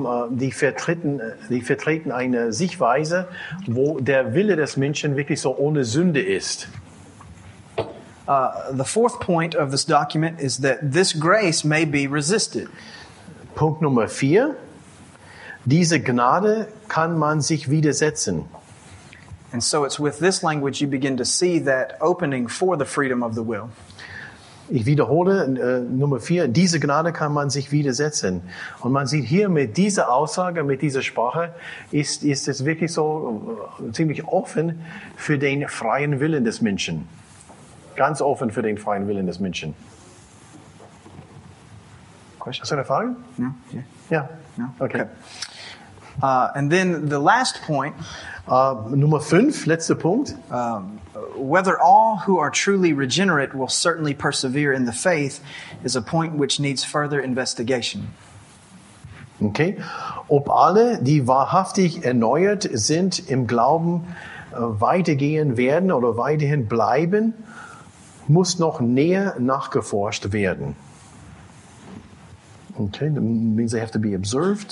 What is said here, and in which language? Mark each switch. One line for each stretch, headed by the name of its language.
German: Die vertreten eine Sichtweise, wo der Wille des Menschen wirklich so ohne Sünde ist.
English: The fourth point of this document is that this grace may be resisted.
German: Punkt Nummer 4. Diese Gnade kann man sich widersetzen.
English: And so it's with this language you begin to see that opening for the freedom of the will.
German: Ich wiederhole Nummer 4. Diese Gnade kann man sich widersetzen. Und man sieht hier mit dieser Aussage, mit dieser Sprache, ist es wirklich so ziemlich offen für den freien Willen des Menschen. Ganz offen für den freien Willen des Menschen.
English: question.
German: Hast du eine Frage?
English: No? Yeah. Yeah. No? Okay. And then the last point.
German: Nummer 5, letzter Punkt.
English: Whether all who are truly regenerate will certainly persevere in the faith is a point which needs further investigation. Okay.
German: Ob alle, die wahrhaftig erneuert sind, im Glauben weitergehen werden oder weiterhin bleiben, muss noch näher nachgeforscht werden.
English: Okay, that means they have to be observed.